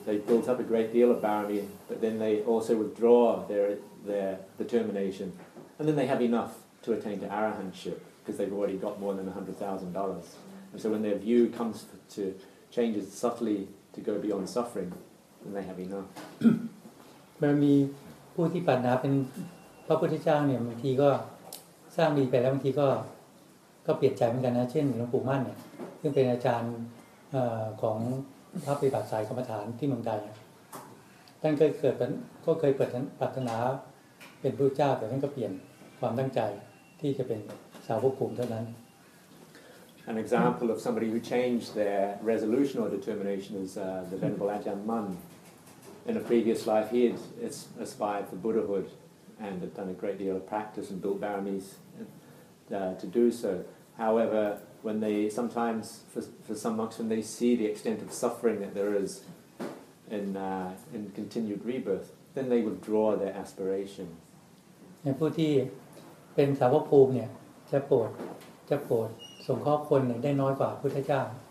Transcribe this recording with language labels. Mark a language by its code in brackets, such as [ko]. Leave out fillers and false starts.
[en] They built up a great deal of barami, but then they also withdraw their determination, and then they have enough to attain to arahantship because they've already got more than $100,000. And so when their view comes to changes subtly to go beyond suffering, then they have enough. [th] Barami, who ที่ปัญญาเป็นพระพุทธเจ้าเนี่ยบางทีก็สร้างดีไปแล้วบางทีก็เปลี่ยนใจเหมือนกันนะเช่นหลวงปู่มั่นเนี่ยซึ่งเป็นอาจารย์ของพระปฏิบัติสายกรรมฐานที่เมืองไทยท่านเคยเปิดปรารถนาเป็นพระเจ้าแต่ท่านก็เปลี่ยนความตั้งใจที่จะเป็นสาวกภูมิเท่านั้น [en] An example of somebody who changed their resolution or determination is the Venerable Ajahn Mun. In a previous life, he had aspired for Buddhahoodand had done a great deal of practice and built baramis to do so. However, when they sometimes, for some monks, when they see the extent of suffering that there is in continued rebirth, then they withdraw their aspiration. [th] ผู้ที่เป็นสาวกภูมิเนี่ยจะโปรดส่งข้อคนเนี่ยได้น้อยกว่าพุทธเจ้า